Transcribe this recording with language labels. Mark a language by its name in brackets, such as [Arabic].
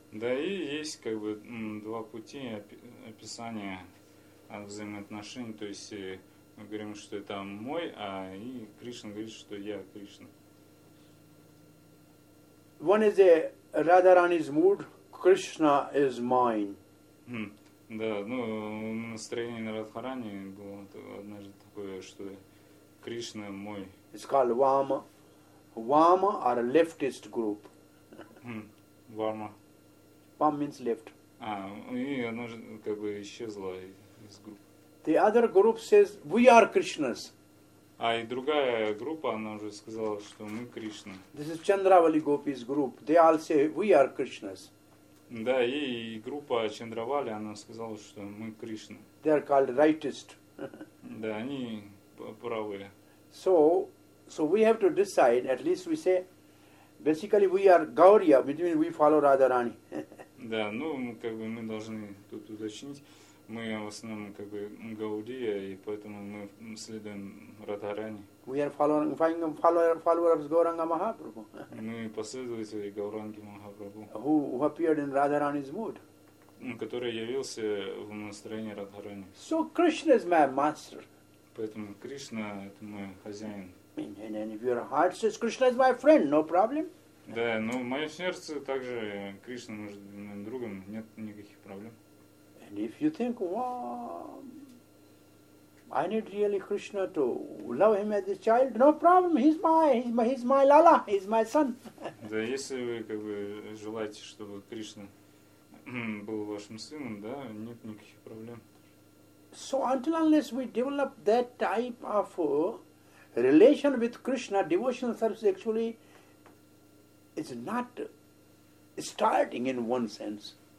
[Russian] Да, и есть как бы два пути описания взаимоотношений. То есть мы говорим, что это мой, а и Кришна говорит, что я Кришна. [English] One is a Radharani's mood, Krishna is mine. [Russian] Да, ну настроение на Радхарани было однажды такое, что Кришна мой. [English] It's called Vama. Vama or leftist group. Vama. Vama means left. [Russian] А, и она же как бы исчезла из группы. [English] The other group says we are Krishnas. [Russian] А и другая группа, она уже сказала, что мы Кришна. [English] This is Chandravali Gopi's group. They all say we are Krishnas. [Russian] Да, и группа Чандравали, она сказала, что мы Кришна. [English] They are called rightist. [Russian] Да, они правые. [English] So we have to decide, at least we say, basically we are Gauriya, which means we follow Radharani. [Russian] Да, ну, как бы мы должны тут уточнить, мы в основном как бы Гаудия, и поэтому мы следуем Радхарани. [English] We are following follower of Gauranga Mahaprabhu. [Russian] Мы последователи Гауранги Махапрабху. [English] Who appeared in Radharani's mood? [Russian] Который явился в настроении Радхарани. [English] So Krishna is my master. [Russian] Поэтому Кришна это мой хозяин. [English] And if your heart says Krishna is my friend, no problem. [Russian] Да, но в моем сердце также Кришна может быть моим другом, нет никаких проблем. [English] And if you think, wow. I need really Krishna to love him as a child. No problem. He's my Lala. He's my son. [Russian] Да, если вы как бы желаете, чтобы Кришна был вашим сыном, да, нет никаких проблем. [English] So until unless we develop that type of relation with Krishna, devotional service actually is not starting in one sense.